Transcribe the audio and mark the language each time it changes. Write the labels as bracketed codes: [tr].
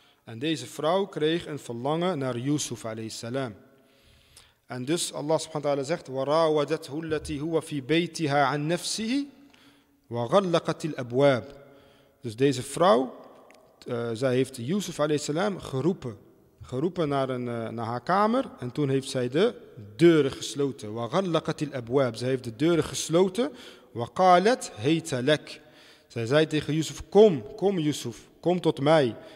[nl] En deze vrouw kreeg een verlangen naar Jozef alayhi salam. En dus Allah subhanahu wa ta'ala zegt: [ar] وَرَاوَدَتْهُ الَّتِي هُوَ فِي بَيْتِهَا عَنْ نَفْسِهِ وَغَلَّقَتِ الْأَبْوَابِ. [nl] Dus deze vrouw, zij heeft Jozef alayhi salam geroepen naar haar kamer en toen heeft zij de deuren gesloten. [ar] وَغَلَّقَتِ الْأَبْوَابِ. [nl] Zij heeft de deuren gesloten. [ar] وَقَالَتْ هَيْتَ لَكْ. [nl] Zij zei tegen Jozef: kom Jozef, kom tot mij.